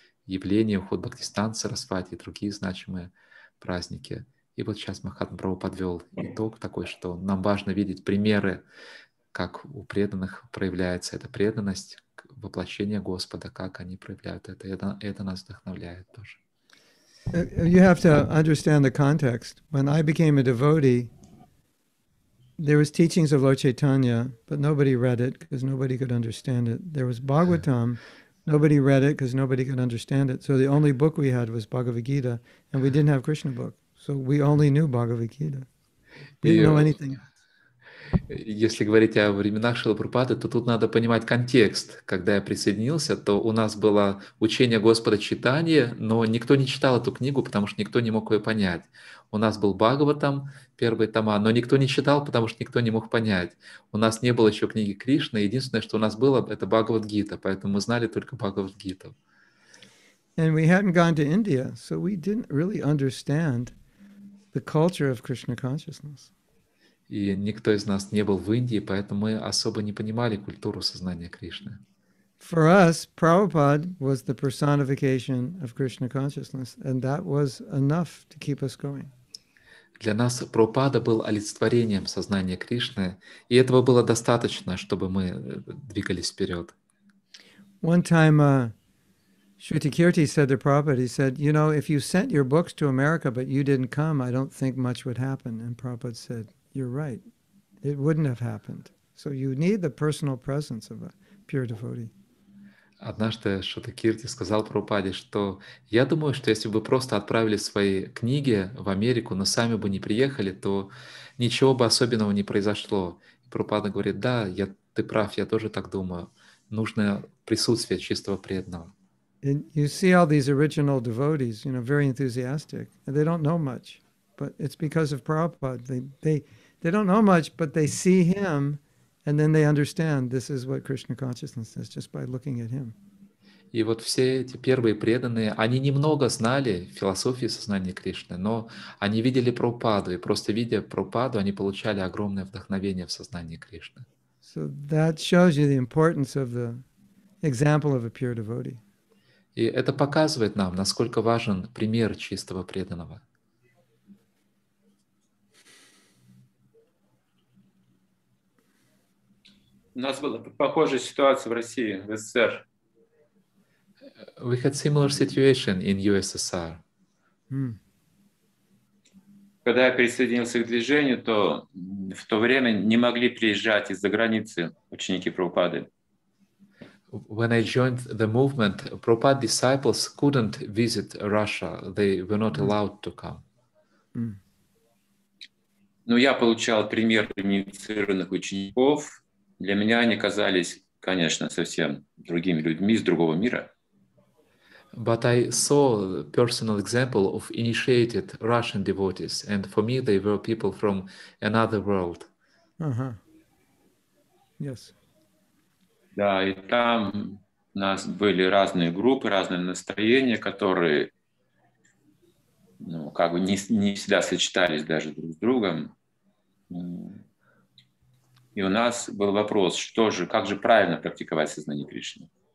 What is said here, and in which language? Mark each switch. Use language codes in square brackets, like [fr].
[ru] Явление, уход Бхактистан, Сарасвати и другие значимые праздники. И вот сейчас Махатмапрабху подвел итог такой, что нам важно видеть примеры, как у преданных проявляется эта преданность, воплощение Господа, как они проявляют это. Это нас вдохновляет тоже. [en] You have to understand the context. When I became a devotee, there was teachings of Lord Chaitanya, but nobody read it because nobody could understand it. There was Bhagavatam. Nobody read it because nobody could understand it. So the only book we had was Bhagavad Gita, and we didn't have Krishna book. So we only knew Bhagavad Gita. We didn't know anything. [ru] Если говорить о временах Шрилы Прабхупады, то тут надо понимать контекст. Когда я присоединился, то у нас было учение Господа Чайтаньи, но никто не читал эту книгу, потому что никто не мог ее понять. У нас был Бхагаватам, первые тома, но никто не читал, потому что никто не мог понять. У нас не было еще книги Кришны. Единственное, что у нас было, это Бхагавад-гита, поэтому мы знали только Бхагавад-гиту. [en] And we hadn't gone to India, so we didn't really understand the culture of Krishna consciousness. [ru] И никто из нас не был в Индии, поэтому мы особо не понимали культуру сознания Кришны. [en] For us, Prabhupada was the personification of Krishna consciousness, and that was enough to keep us going. [ru] Для нас Прабхупада был олицетворением сознания Кришны, и этого было достаточно, чтобы мы двигались вперед. [en] One time, Shrutikirti said to Prabhupada, he said, you know, if you sent your books to America, but you didn't come, I don't think much would happen. And Prabhupada said, you're right. It wouldn't have happened. So you need the personal presence of a pure devotee. [ru] Однажды Шрутакирти сказал Прабхупаде, что я думаю, что если бы просто отправили свои книги в Америку, но сами бы не приехали, то ничего бы особенного не произошло. Прабхупада говорит, да, ты прав, я тоже так думаю. Нужно присутствие чистого преданного. [en] And you see all these original devotees, you know, very enthusiastic, and they don't know much. But it's because of Prabhupada. They don't know much, but they see him, and then they understand this is what Krishna consciousness is just by looking at him. [ru] И вот все эти первые преданные, они немного знали философии сознания Кришны, но они видели Прабхупаду, и просто видя Прабхупаду, они получали огромное вдохновение в сознании Кришны. [en] So that shows you the importance of the example of a pure devotee. [ru] И это показывает нам, насколько важен пример чистого преданного. У нас была похожая ситуация в России, в СССР. [en] We had similar situation in USSR. Mm. [ru] Когда я присоединился к движению, то в то время не могли приезжать из-за границы ученики Прабхупады. [en] When I joined the movement, Prabhupada disciples couldn't visit Russia. They were not allowed to come. Mm. [ru] Но я получал пример инициированных учеников. Для меня они казались, конечно, совсем другими людьми из другого мира. [en] But I saw personal example of initiated Russian devotees, and for me they were people from another world. Uh-huh. Yes. [ru] Да, и там у нас были разные группы, разные настроения, которые, ну, как бы не всегда сочетались даже друг с другом. И у нас был вопрос, что же, как же правильно практиковать сознание Кришны.